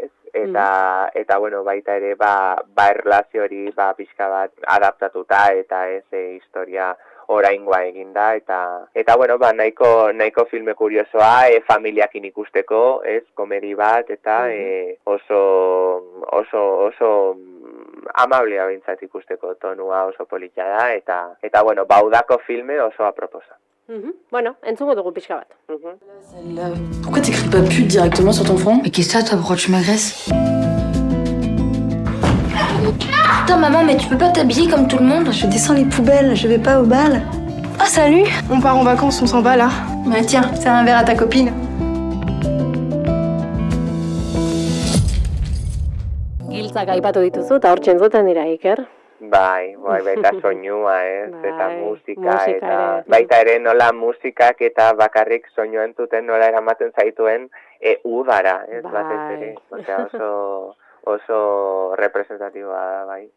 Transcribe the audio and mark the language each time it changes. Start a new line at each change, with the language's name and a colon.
Basque: Eta bueno, baita ere ba erlazio hori ba pixka bat adaptatuta eta ez historia oraingoa eginda eta bueno, ba nahiko filme kuriosoa, familiakin ikusteko, ez, komedi bat eta oso amablea bintzat ikusteko, tonua oso politia da eta bueno, ba udako filme oso aproposa. Mm-hmm. Bueno, entzungo dugu pixka bat. Mm-hmm.
French: Pourquoi t'écris pas pute directement sur ton front? Et qu'est-ce que ça, toi, pourquoi tu m'agresses? Attends, maman, mais tu peux pas t'habiller comme tout le monde? Je descends les poubelles, je vais pas au bal. Oh, salut! On part en vacances, on s'en va, là. Bah tiens, sers un verre à ta copine.
Basque: Giltzak aipatu dituzu, ta hortxe entzuten dira, Iker. Bai, baita soinua, ez, bai, eta musika eta ere. Baita ere nola musikak eta bakarrik soinua entuten nola eramaten zaituen udara, ez, bai. Batez ere, ozea oso representatiboa da, bai.